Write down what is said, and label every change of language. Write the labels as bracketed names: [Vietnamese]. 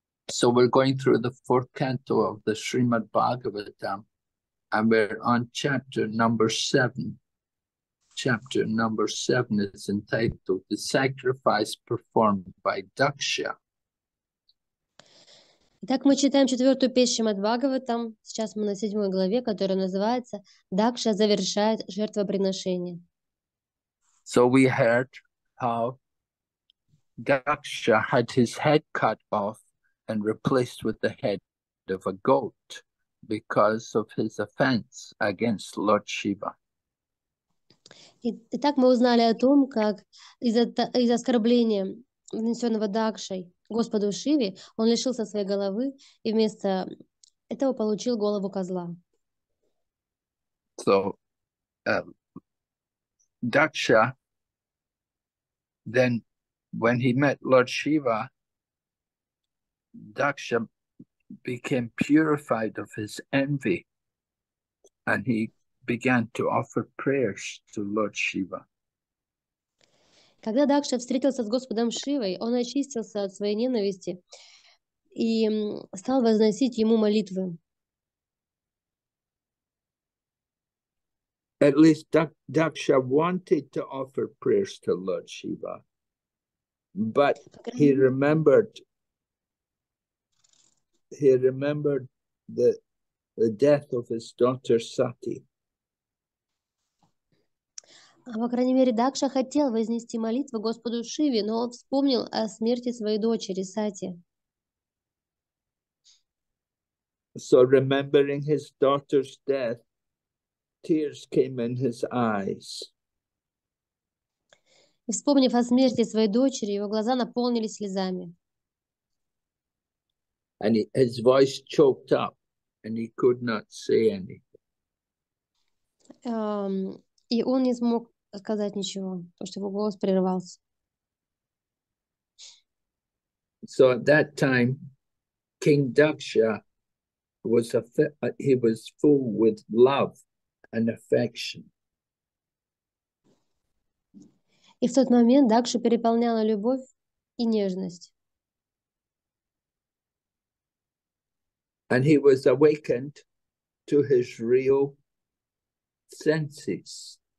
[English] So we're going through the fourth canto of the Srimad Bhagavatam, and we're on chapter number seven. Chapter number seven is entitled The Sacrifice Performed by Daksha. [Russian] Итак, мы читаем четвертую песню Шримад-Бхагаватам. Сейчас мы на седьмой главе, которая называется «Дакша завершает жертвоприношение». [English] So we heard how Daksha had his head cut off and replaced with the head of a goat because of his offense against Lord Shiva. [Russian] Итак, мы узнали о том, как из-за оскорбления, нанесенного Дакшей Господу Шиве, он лишился своей головы и вместо этого получил голову козла. [English] So, Daksha, then when he met Lord Shiva, Daksha became purified of his envy and he began to offer prayers to Lord Shiva. [Russian] Когда Дакша встретился с Господом Шивой, он очистился от своей ненависти и стал возносить ему молитвы. [English] At least Daksha wanted to offer prayers to Lord Shiva, but he remembered. He remembered the death of his daughter Sati. [Russian] По крайней мере, Дакша хотел вознести молитву Господу Шиве, но он вспомнил о смерти своей дочери Сати. [English] So remembering his daughter's death, tears came in his eyes. [Russian] И вспомнив о смерти своей дочери, его глаза наполнились слезами. [English] And his voice choked up, and he could not say anything. [Russian] И он не смог сказать ничего, потому что его голос прервался. [English] So at that time, King Daksha was he was full with love and affection. [Russian] И в тот момент Дакша переполняла любовь и нежность. [English] And he was awakened to his real senses.